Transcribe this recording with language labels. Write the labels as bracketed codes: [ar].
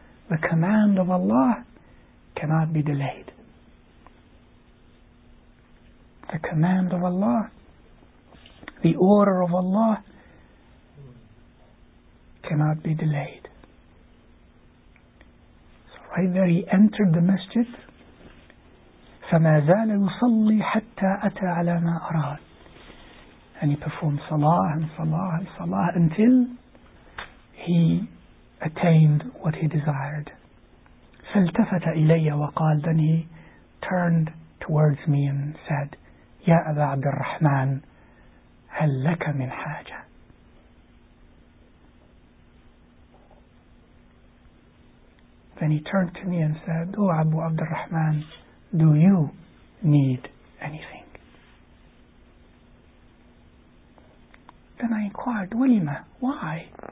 [en] The command of Allah cannot be delayed. The command of Allah, the order of Allah, cannot be delayed. So right there he entered the masjid. [ar] فَمَا زَالَ يُصَلِّي حَتَّى أَتَى عَلَى مَا أَرَادَ. [en] And he performed salah and salah and salah until he attained what he desired. [ar] فالتفت إلي وقال. [en] Then he turned towards me and said, [ar] يا أبا عبد الرحمن هل لك من حاجة. [en] Then he turned to me and said, O Abu Abd al-Rahman, do you need anything? Then I inquired, [ar] ولما, [en] why?